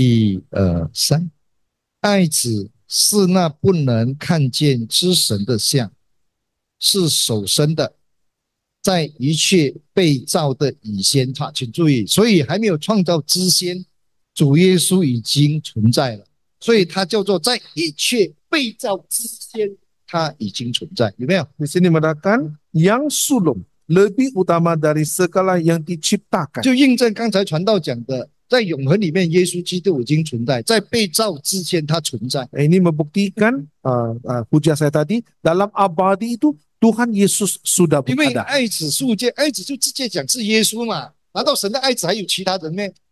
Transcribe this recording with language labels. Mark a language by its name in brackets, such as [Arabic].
[Chinese] 一二三，爱子是那不能看见之神的像，是首生的，在一切被造的以先。他，请注意，所以还没有创造之先，主耶稣已经存在了，所以他叫做在一切被造之先，他已经存在，有没有？ [Malay] Di sini mengatakan yang sulung lebih utama dari segala yang diciptakan. [Chinese] 就印证刚才传道讲的。在永恒里面，耶稣基督已经存在，在被造之前他存在。 [Malay] Ini membuktikan hujah saya tadi dalam abadi itu Tuhan Yesus sudah [Chinese] 因为 [Malay] ada. [Chinese] 爱子数界，爱子就直接讲是耶稣嘛？难道神的爱子还有其他人呢？